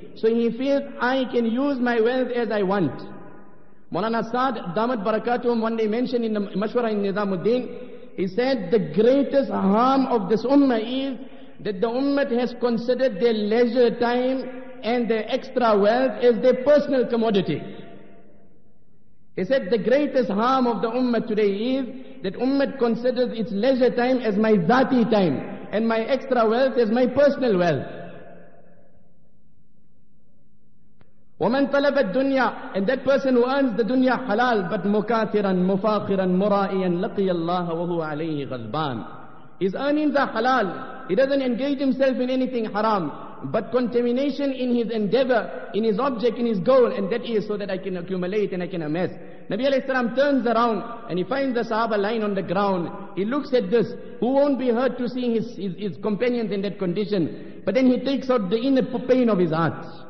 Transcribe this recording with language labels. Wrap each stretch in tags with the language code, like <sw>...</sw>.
<en>So he feels, I can use my wealth as I want. Mawlana Saad, Damat Barakatum, one day mentioned in the Mashwara in Nizamuddin, he said, the greatest harm of this ummah is that the ummah has considered their leisure time and their extra wealth as their personal commodity. He said, the greatest harm of the ummah today is that ummah considers its leisure time as my dhati time and my extra wealth as my personal wealth.</en> <ar>وَمَنْ طَلَبَ الدُّنْيَا,</ar> <en>and that person who earns the dunya halal, but</en> <ar>مُكَاثِرًا مُفَاقِرًا مُرَائِيًا لَقِيَ اللَّهَ وَهُوَ عَلَيْهِ غَلْبَانِ.</ar> <en>He's earning the halal, he doesn't engage himself in anything haram, but contamination in his endeavor, in his object, in his goal, and that is so that I can accumulate and I can amass. Nabi alayhi salam turns around and he finds the sahaba lying on the ground. He looks at this, who won't be hurt to see his companions in that condition, but then he takes out the inner pain of his heart.</en>